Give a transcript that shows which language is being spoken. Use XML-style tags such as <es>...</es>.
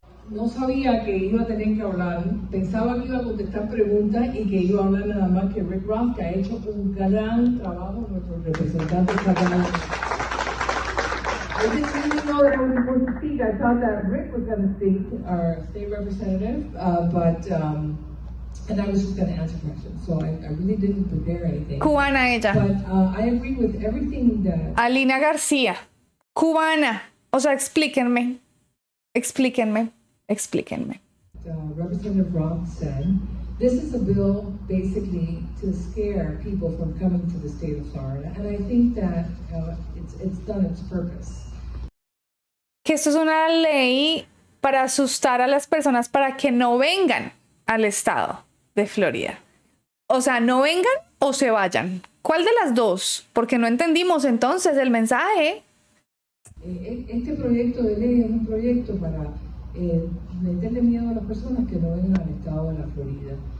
<es>No sabía que iba a tener que hablar. Pensaba que iba a contestar preguntas y que iba a hablar nada más que Rick Ross, que ha hecho un gran trabajo nuestro representante estatal.</es> <en>I didn't even know that I was going to speak. I thought that Rick was going to speak, our state representative. But And I was just going to answer questions, so I really didn't prepare anything.</en> <es>Cubana ella.</es> <en>But I agree with everything that...</en> <es>Alina García. Cubana. O sea, explíquenme. Explíquenme. Explíquenme.</es> <en>Representative Rob said, this is a bill basically to scare people from coming to the state of Florida. And I think that it's done its purpose.</en> <es>Que esto es una ley para asustar a las personas para que no vengan al estado de Florida. O sea, no vengan o se vayan. ¿Cuál de las dos? Porque no entendimos entonces el mensaje. Este proyecto de ley es un proyecto para meterle miedo a las personas que no vengan al estado de la Florida.</es>